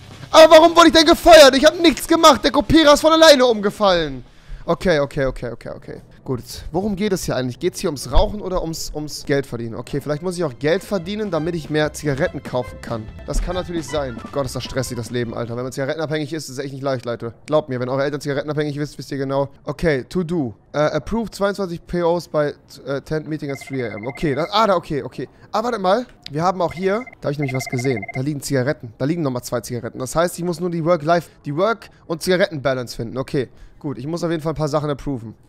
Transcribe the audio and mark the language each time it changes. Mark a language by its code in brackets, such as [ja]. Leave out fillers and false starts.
[de] Aber warum wurde ich denn gefeuert? Ich habe nichts gemacht. Der Kopierer ist von alleine umgefallen. Okay. Gut, worum geht es hier eigentlich? Geht es hier ums Rauchen oder ums Geld verdienen? Okay, vielleicht muss ich auch Geld verdienen, damit ich mehr Zigaretten kaufen kann. Das kann natürlich sein. Gott, ist das stressig, das Leben, Alter. Wenn man zigarettenabhängig ist, ist es echt nicht leicht, Leute. Glaubt mir, wenn eure Eltern zigarettenabhängig sind, wisst ihr genau. [en] Okay, to do. Approve 22 POs by tent meeting at 3 a.m. Okay, okay. [de] Aber warte mal, wir haben auch hier, da habe ich nämlich was gesehen. Da liegen Zigaretten. Da liegen nochmal 2 Zigaretten. Das heißt, ich muss nur die Work- und Zigaretten-Balance finden. Okay, gut. Ich muss auf jeden Fall ein paar Sachen approven.